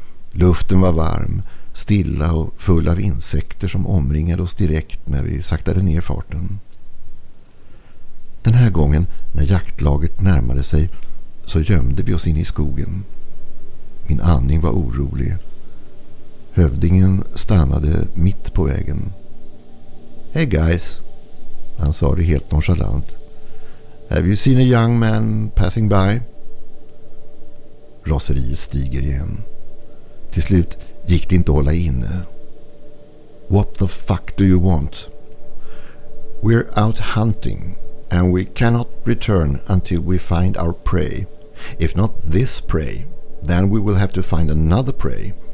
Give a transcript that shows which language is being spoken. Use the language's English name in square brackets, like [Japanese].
[Swedish] Luften var varm, stilla och full av insekter som omringade oss direkt när vi saktade ner farten. Den här gången när jaktlaget närmade sig så gömde vi oss in i skogen. Min andning var orolig. Hövdingen stannade mitt på vägen. [English] Hey guys, [Swedish] han sa det helt nonchalant. [English] Have you seen a young man passing by? [Swedish] Raseriet stiger igen. Till slut gick det inte att hålla inne. [English] What the fuck do you want? We're out hunting and we cannot return until we find our prey. If not this prey, then we will have to find another prey.